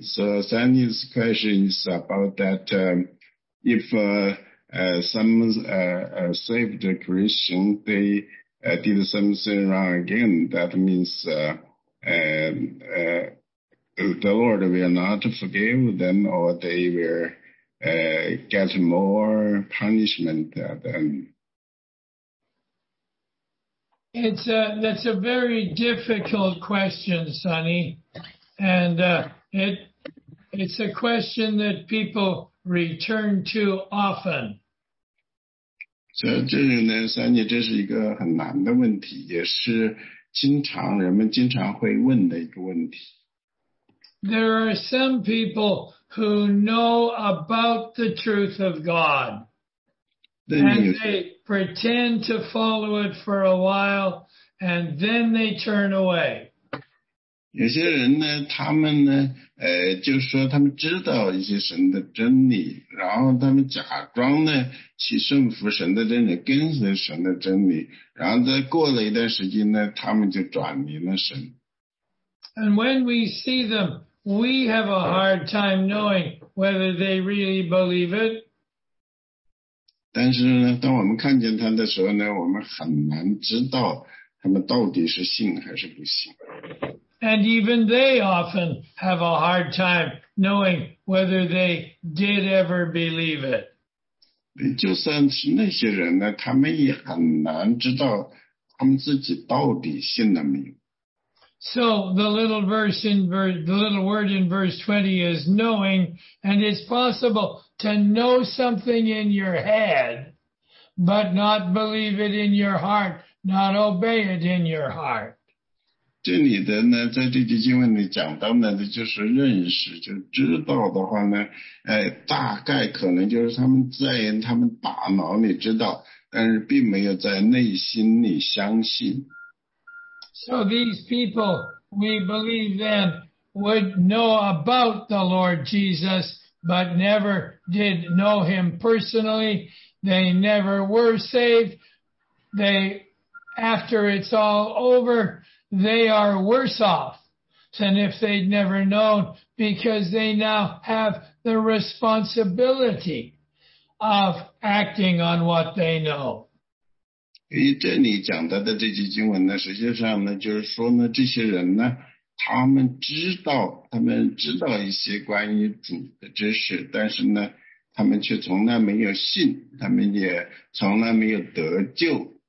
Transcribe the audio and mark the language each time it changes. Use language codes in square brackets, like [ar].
[en] So Sandy's question is about that if some saved Christian, they did something wrong again, that means the Lord will not forgive them or they will get more punishment than them. That's a very difficult question, Sunny. And it's a question that people return to often. [zh] So, 这里呢，三姐，这是一个很难的问题，也是人们经常会问的一个问题。 [en] There are some people who know about the truth of God. And they pretend to follow it for a while, And then they turn away. [zh] 有些人呢，他们呢，就说他们知道一些神的真理，然后他们假装呢去顺服神的真理，跟随神的真理，然后再过了一段时间呢，他们就转离了神。 [en] And when we see them, we have a hard time knowing whether they really believe it. [zh] 但是呢，当我们看见他的时候呢，我们很难知道他们到底是信还是不信。 [en] And even they often have a hard time knowing whether they did ever believe it. [zh] 就算是那些人呢，他们也很难知道他们自己到底信了没有。 [en] So the little word in verse 20 is knowing, and it's possible to know something in your head, but not believe it in your heart, not obey it in your heart. [zh] 这里的呢，在这节经文里讲到呢，就是认识，就知道的话呢，大概可能就是他们在他们大脑里知道，但是并没有在内心里相信。 [en] So these people, we believe them, would know about the Lord Jesus, but never did know him personally. They never were saved. They, after it's all over,They are worse off than if they'd never known because they now have the responsibility of acting on what they know. [zh] 因为这里讲到的这些经文呢，实际上呢，就是说呢，这些人呢，他们知道一些关于主的知识，但是呢，他们却从来没有信，他们也从来没有得救。